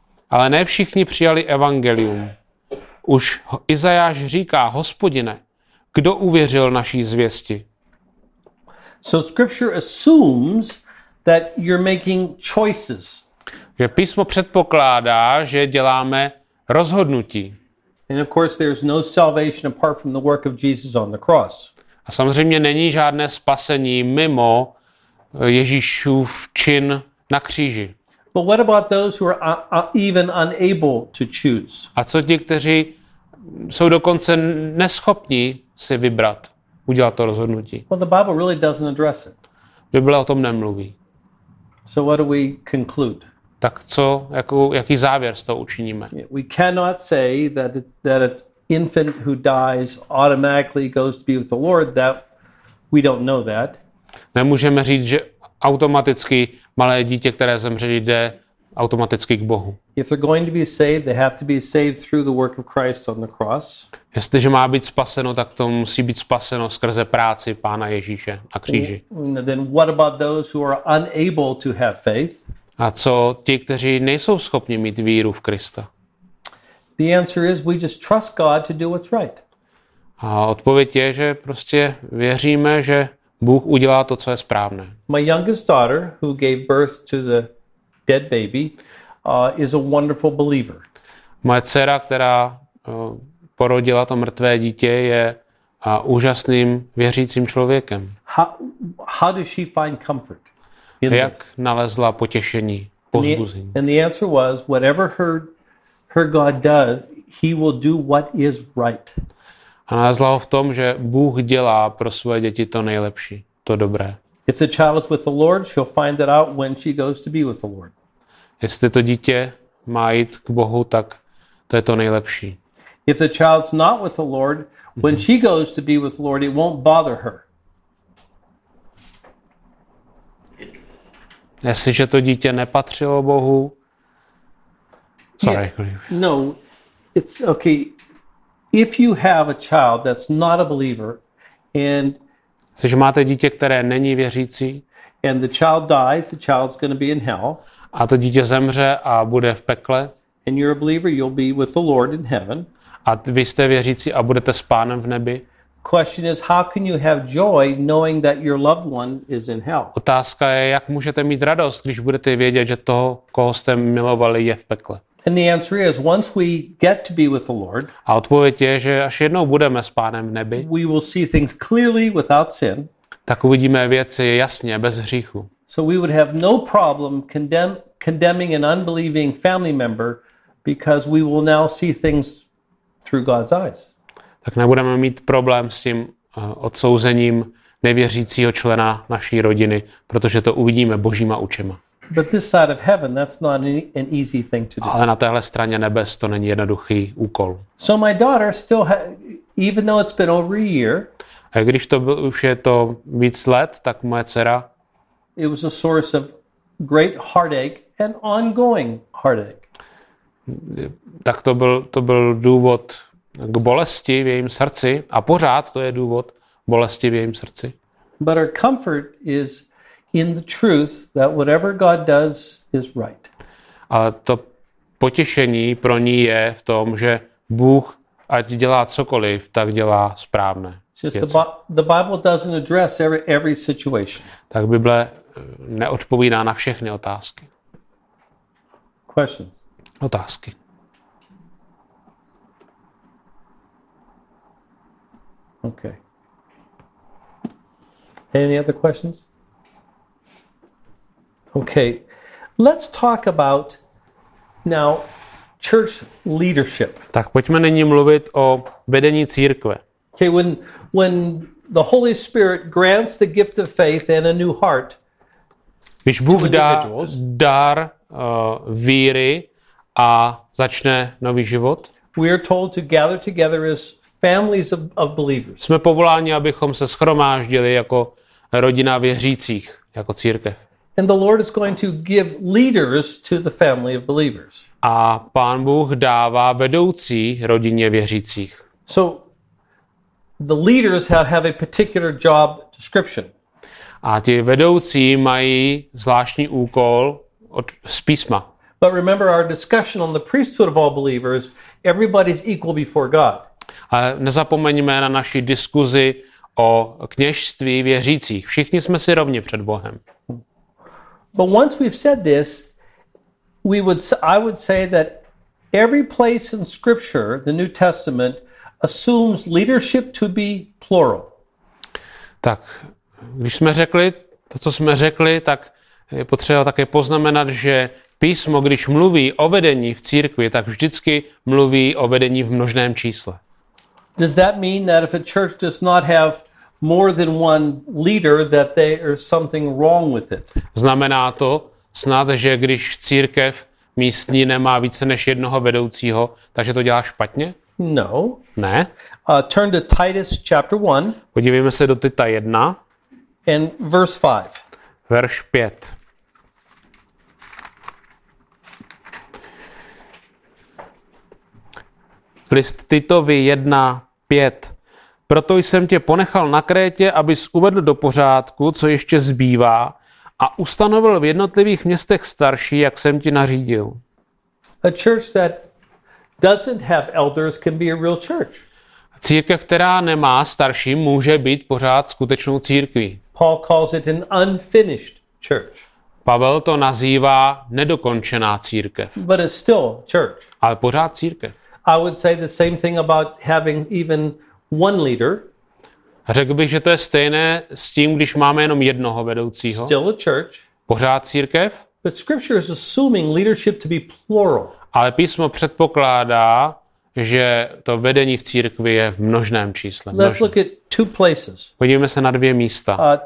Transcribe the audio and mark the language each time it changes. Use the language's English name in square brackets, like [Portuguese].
[Czech] Ale ne všichni přijali evangelium. Už Izajáš říká, Hospodine, kdo uvěřil naší zvěsti? [English] So scripture assumes that you're making choices. [Czech] Že písmo předpokládá, že děláme rozhodnutí. [English] And of course there's no salvation apart from the work of Jesus on the cross. [Czech] A samozřejmě není žádné spasení mimo Ježíšův čin na kříži. [English] But what about those who are even unable to choose? [Czech] A co ti, kteří jsou dokonce neschopní si vybrat, udělat to rozhodnutí? [English] Well, the Bible really doesn't address it. [Czech] Bible o tom nemluví. [English] So what do we conclude? [Czech] Tak co, jaký závěr z toho učiníme? [English] We cannot say that infant who dies automatically goes to be with the Lord, that we don't know that. [Czech] Nemůžeme říct, že automaticky malé dítě, které zemře, jde automaticky k Bohu. [English] If they're going to be saved, they have to be saved through the work of Christ on the cross. [Czech] Jestliže má být spaseno, tak to musí být spaseno skrze práci Pána Ježíše na kříži. [English] Then what about those who are unable to have faith? [Czech] A co ti, kteří nejsou schopni mít víru v Krista? [English] The answer is we just trust God to do what's right. [Czech] A odpověď je, že prostě věříme, že Bůh udělá to, co je správné. [English] My youngest daughter, who gave birth to the dead baby, is a wonderful believer. [Czech] Moje dcera, která porodila to mrtvé dítě, je úžasným věřícím člověkem. [English] How does she find comfort? [Czech] Jak nalezla potěšení, povzbuzení? [English] And the answer was whatever her God does, he will do what is right. [Czech] A nalezla ho v tom, že Bůh dělá pro svoje děti to nejlepší, to dobré. [English] If the child is with the Lord, she'll find it out when she goes to be with the Lord. [Czech] Jestli to dítě má jít k Bohu, tak to je to nejlepší. [English] If the child's not with the Lord, when she goes to be with the Lord, it won't bother her. [Czech] Jestliže to dítě nepatřilo Bohu. [English] Sorry. Yeah, no. It's okay. If you have a child that's not a believer and [Czech] jestliže máte dítě, které není věřící, [English] and the child dies, the child's going to be in hell. [Czech] A to dítě zemře a bude v pekle. [English] And you're a believer, you'll be with the Lord in heaven. [Czech] A vy jste věřící a budete s Pánem v nebi. [English] Question is, how can you have joy knowing that your loved one is in hell? [Czech] Otázka je, jak můžete mít radost, když budete vědět, že toho, koho jste milovali, je v pekle. [English] And the answer is, once we get to be with the Lord, [Czech] a odpověď je, že až jednou budeme s Pánem v nebi, [English] we will see things clearly without sin. [Czech] Tak uvidíme věci jasně, bez hříchu. [English] So we would have no problem condemning an unbelieving family member because we will now see things through God's eyes. [Czech] Tak nebudeme mít problém s tím odsouzením nevěřícího člena naší rodiny, protože to uvidíme Božíma očima. [English] But this side of heaven, that's not an easy thing to do. [Czech] Ale na téhle straně nebes to není jednoduchý úkol. [English] So my daughter still even though it's been over a year. [Czech] A když to byl, už je to víc let, tak moje dcera. [English] It was a source of great heartache and ongoing heartache. [Czech] Tak to byl důvod k bolesti v jejím srdci a pořád to je důvod bolesti v jejím srdci. [English] But our comfort is in the truth that whatever God does is right. [Czech] Ale to potěšení pro ní je v tom, že Bůh, ať dělá cokoliv, tak dělá správné. [English] The Bible doesn't address every situation. [Czech] Tak Bible neodpovídá na všechny otázky. [English] Questions. [Czech] Otázky. [English] Okay. Any other questions? Okay. Let's talk about now church leadership. [Czech] Tak pojďme nyní mluvit o vedení církve. [English] Okay, when the Holy Spirit grants the gift of faith and a new heart. [Czech] Když Bůh dá dar víry a začne nový život. [English] We are told to gather together as families of believers. [Czech] Jsme povoláni, abychom se shromáždili jako rodina věřících, jako církev. [English] And the Lord is going to give leaders to the family of believers. [Czech] A Pán Bůh dává vedoucí rodině věřících. [English] So the leaders have a particular job description. [Czech] A ti vedoucí mají zvláštní úkol z písma. [English] But remember our discussion on the priesthood of all believers, everybody's equal before God. [Czech] A nezapomeňme na naši diskuzi o kněžství věřících. Všichni jsme si rovni před Bohem. [English] But once we've said this, I would say that every place in scripture, the New Testament, assumes leadership to be plural. [Czech] Tak, když jsme řekli to, co jsme řekli, tak je potřeba také poznamenat, že písmo, když mluví o vedení v církvi, tak vždycky mluví o vedení v množném čísle. [English] Does that mean that if a church does not have more than one leader, that there is something wrong with it? [Czech] Znamená to snad, že když církev místní nemá více než jednoho vedoucího, takže to dělá špatně? [English] No. [Czech] Ne. [English] Turn to Titus chapter 1. [Czech] Podívejme se do Tita 1. [English] And verse 5. [Czech] Verš 5. List Titovi 1:5. Proto jsem tě ponechal na Krétě, abys uvedl do pořádku, co ještě zbývá, a ustanovil v jednotlivých městech starší, jak jsem ti nařídil. [English] A church that doesn't have elders can be a real church. [Czech] Církev, která nemá starší, může být pořád skutečnou církví. [English] Paul calls it an unfinished church. [Czech] Pavel to nazývá nedokončená církev. [English] But it's still church. [Czech] Ale pořád církev. [English] I would say the same thing about having even one leader. [Czech] Řekl bych, že to je stejné s tím, když máme jenom jednoho vedoucího. [English] Still a church. [Czech] Pořád církev. [English] But scripture is assuming leadership to be plural. [Czech] Ale písmo předpokládá, že to vedení v církvi je v množném čísle. [English] Let's look at two places. [Czech] Podívejme se na dvě místa.